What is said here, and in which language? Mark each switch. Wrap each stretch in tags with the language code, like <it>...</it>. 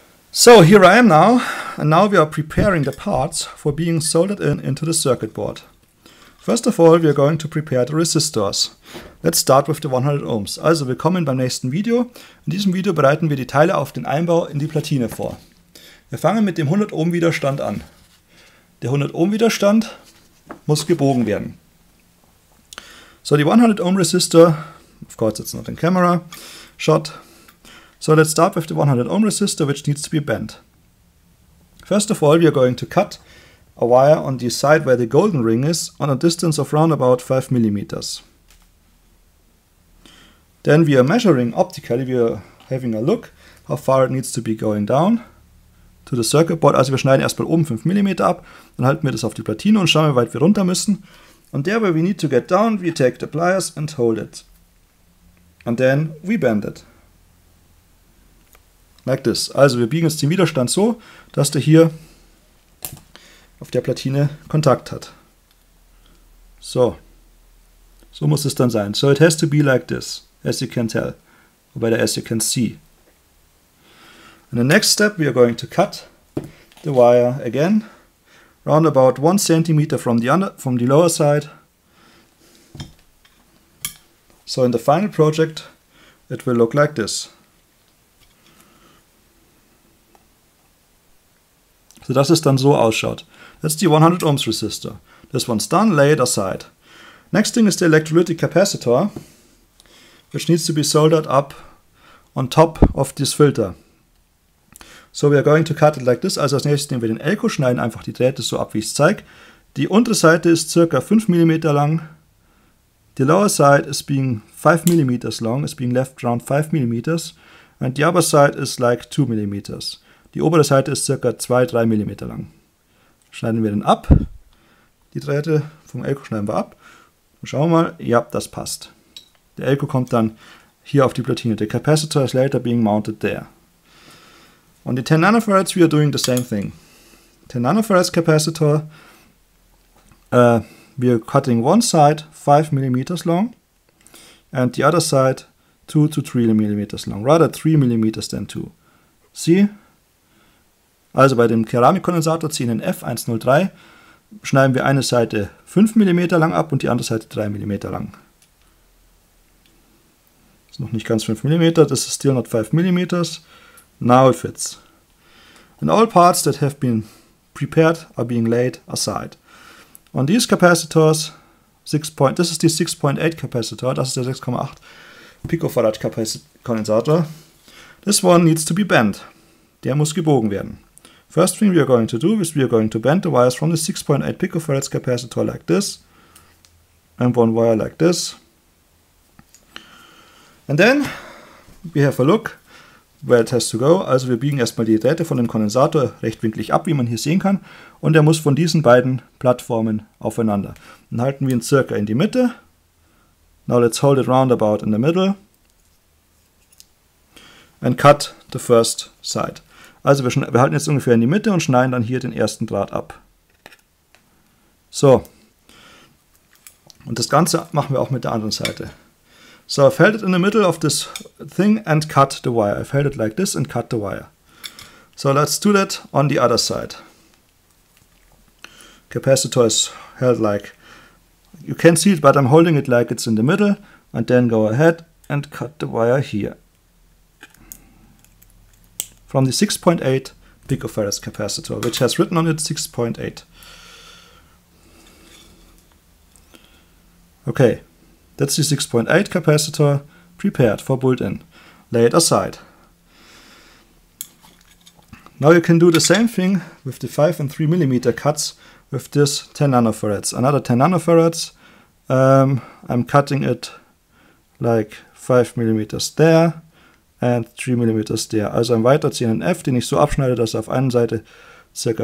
<en>So here I am now, and now we are preparing the parts for being soldered in into the circuit board. First of all, we are going to prepare the resistors. Let's start with the 100 Ohms.</en> <de>Also, willkommen beim nächsten Video. In diesem Video bereiten wir die Teile auf den Einbau in die Platine vor. Wir fangen mit dem 100 Ohm Widerstand an. Der 100 Ohm Widerstand muss gebogen werden.</de> <en>So, the 100 Ohm resistor, of course it's not in camera, shot. So let's start with the 100 ohm resistor, which needs to be bent. First of all, we are going to cut a wire on the side where the golden ring is on a distance of round about 5 millimeters. Then we are measuring optically, we are having a look how far it needs to be going down to the circuit board.</en> <de>Also wir schneiden erstmal oben 5 mm ab, dann halten wir das auf die Platine und schauen, wie weit wir runter müssen.</de> <en>And there where we need to get down, we take the pliers and hold it. And then we bend it. Like this.</en> <de>Also wir biegen jetzt den Widerstand so, dass der hier auf der Platine Kontakt hat. So. So muss es dann sein.</de> <en>So it has to be like this, as you can tell. Or better, as you can see. And the next step, we are going to cut the wire again. Round about 1 cm from the lower side. So in the final project, it will look like this.</en> <de>So dass es dann so ausschaut.</de> <en>That's the 100 ohms resistor. This one's done, lay it aside. Next thing is the electrolytic capacitor, which needs to be soldered up on top of this filter. So we are going to cut it like this.</en> <de>Also als nächstes nehmen wir den Elko, schneiden einfach die Drähte so ab, wie ich es zeige. Die untere Seite ist ca. 5 mm lang.</de> <en>The lower side is being 5 mm long, is being left around 5 mm. And the upper side is like 2 mm.</en> <de>Die obere Seite ist ca. 2-3 mm lang. Schneiden wir dann ab. Die Drähte vom Elko schneiden wir ab. Und schauen wir mal, ja, das passt. Der Elko kommt dann hier auf die Platine.</de> <en>The capacitor is later being mounted there. On the 10 nanofarads, we are doing the same thing. 10 nanofarads capacitor, we are cutting one side 5 mm long and the other side 2 to 3 mm long, rather 3 mm than 2. See?</en> <de>Also bei dem Keramikkondensator CNNF103 schneiden wir eine Seite 5 mm lang ab und die andere Seite 3 mm lang. Ist noch nicht ganz 5 mm, das ist</de> <en>still not 5 mm. Now it fits. And all parts that have been prepared are being laid aside. On these capacitors, this is the 6.8 capacitor,</en> <de>das ist der 6,8 picofarad Kondensator.</de> <en>This one needs to be bent.</en> <de>Der muss gebogen werden.</de> <en>First thing we are going to do is we are going to bend the wires from the 6.8 picofarads capacitor like this. And one wire like this. And then we have a look where it has to go.</en> <de>Also wir biegen erstmal die Drähte von dem Kondensator rechtwinklig ab, wie man hier sehen kann. Und er muss von diesen beiden Plattformen aufeinander. Dann halten wir ihn circa in die Mitte.</de> <en>Now let's hold it roundabout in the middle. And cut the first side.</en> <de>Also wir halten jetzt ungefähr in die Mitte und schneiden dann hier den ersten Draht ab. So. Und das Ganze machen wir auch mit der anderen Seite.</de> <en>So, I've held it in the middle of this thing and cut the wire. I've held it like this and cut the wire. So, let's do that on the other side. Capacitor is held like... You can see it, but I'm holding it like it's in the middle. And then go ahead and cut the wire here. From the 6.8 picofarads capacitor, which has written on it 6.8. Okay. That's the 6.8 capacitor prepared for built-in. Lay it aside. Now you can do the same thing with the 5 and 3 millimeter cuts with this 10 nanofarads. Another 10 nanofarads. I'm cutting it like 5 millimeters there and 3 millimeters there.</en> <de>Also ein weiter CNNF, den ich so abschneide, dass er auf einer Seite ca.</de>